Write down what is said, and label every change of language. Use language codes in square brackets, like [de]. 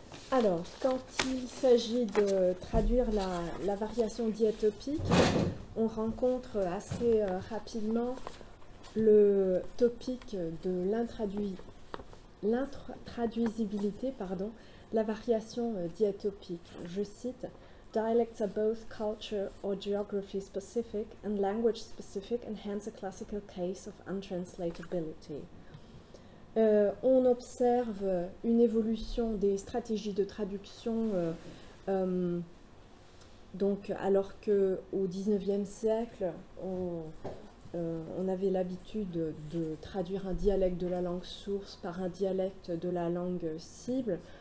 [fr] Alors, quand il s'agit de traduire la variation diatopique, on rencontre assez rapidement le topic de l'intraduisibilité, pardon, la variation diatopique. Je cite. [en] Dialects are both culture or geography specific and language specific, and hence a classical case of untranslatability. [fr] On observe une évolution des stratégies de traduction, donc alors que au XIXe siècle, on avait l'habitude de traduire un dialecte de la langue source par un dialecte de la langue cible.